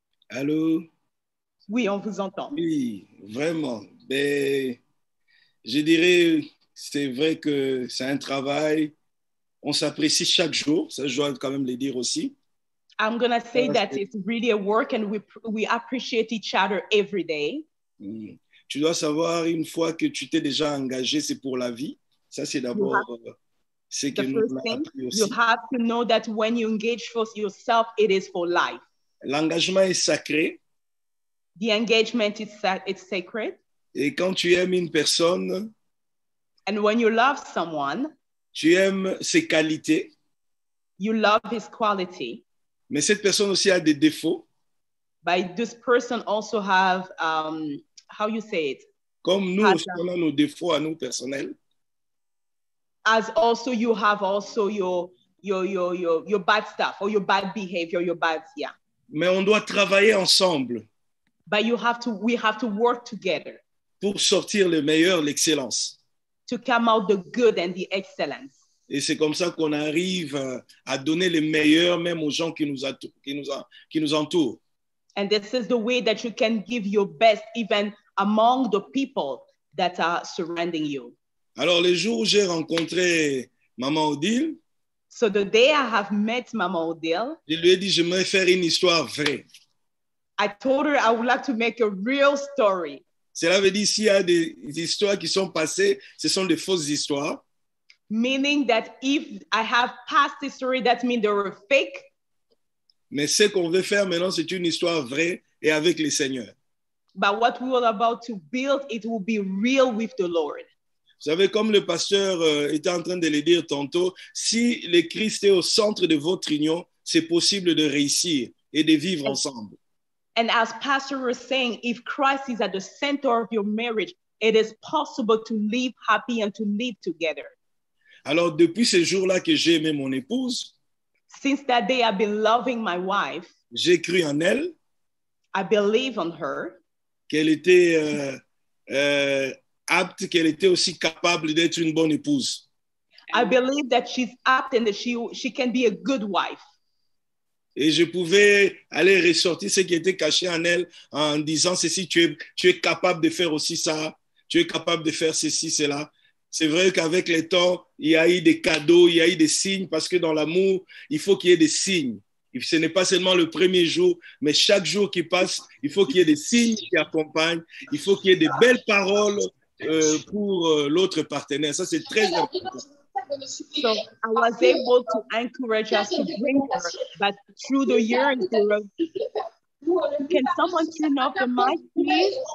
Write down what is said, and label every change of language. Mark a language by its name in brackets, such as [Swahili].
[French] Allô? Oui, on vous entend. Oui, vraiment. Mais je dirais, c'est vrai que c'est un travail. On s'apprécie chaque jour. Ça, je dois quand même le dire aussi. [English] I'm going to say that it's really a work and we appreciate each other every day. Mm. [French] Tu dois savoir, une fois que tu t'es déjà engagé, c'est pour la vie. Ça, c'est d'abord ce que nous avons appris aussi. [English] You have to know that when you engage for yourself, it is for life. [French] L'engagement est sacré. [English] The engagement is it's sacred. [French] Et quand tu aimes une personne, [English] and when you love someone, [French] tu aimes ses qualités. [English] You love his quality. [French] Mais cette personne aussi a des défauts. [English] But this person also have, how you say it? [French] Comme nous aussi, on a nos défauts à nous personnels. [English] As also you have also your bad stuff or your bad behavior, your bad, yeah. [French] Mais on doit travailler ensemble. [English] But we have to work together. [French] Pour sortir le meilleur, l'excellence. [English] To come out the good and the excellence. [French] Et c'est comme ça qu'on arrive à donner le meilleur même aux gens qui nous entourent. [English] And this is the way that you can give your best even among the people that are surrounding you. [French] Alors le jour où j'ai rencontré Maman Odile, [English] so the day I have met Mama Odile, [French] je lui ai dit, j'aimerais faire une histoire vraie. [English] I told her I would like to make a real story. [French] Cela veut dire, s'il y a des histoires qui sont passées, ce sont des fausses histoires. [English] Meaning that if I have passed history, that means they were fake. [French] Mais ce qu'on veut faire maintenant, c'est une histoire vraie et avec le Seigneur. [English] But what we are about to build, it will be real with the Lord. [French] Vous savez, comme le pasteur était en train de le dire tantôt, si le Christ est au centre de votre union, c'est possible de réussir et de vivre ensemble. [English] And as pastor was saying, if Christ is at the center of your marriage, it is possible to live happy and to live together. [French] Alors, depuis ce jour-là que j'ai aimé mon épouse, [English] since that day I've been loving my wife, [French] j'ai cru en elle, [English] I believe on her, [French] qu'elle était... apte, qu'elle était aussi capable d'être une bonne épouse. [English] I believe that she's apt and that she can be a good wife. [French] Et je pouvais aller ressortir ce qui était caché en elle en disant ceci, tu es capable de faire aussi ça, tu es capable de faire ceci, cela. C'est vrai qu'avec le temps, il y a eu des cadeaux, il y a eu des signes, parce que dans l'amour, il faut qu'il y ait des signes. Et ce n'est pas seulement le premier jour, mais chaque jour qui passe, il faut qu'il y ait des signes qui accompagnent, il faut qu'il y ait des belles paroles pour l'autre partenaire. Ça, c'est très important. [English] So I was able to encourage us to bring her, but through the year and through, can someone turn off the mic, please?